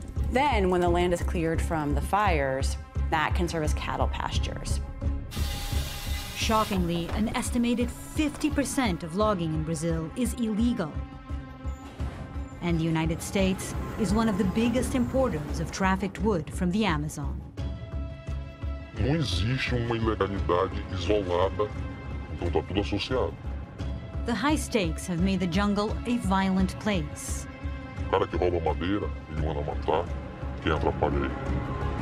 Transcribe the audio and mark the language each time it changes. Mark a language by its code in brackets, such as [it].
[en] Then when the land is cleared from the fires, that can serve as cattle pastures. Shockingly, an estimated 50% of logging in Brazil is illegal. And the United States is one of the biggest importers of trafficked wood from the Amazon. [pt] Não existe uma ilegalidade isolada, então tá tudo associado. [en] The high stakes have made the jungle a violent place. [pt] O cara que rouba madeira e manda matar, quem atrapalha ele?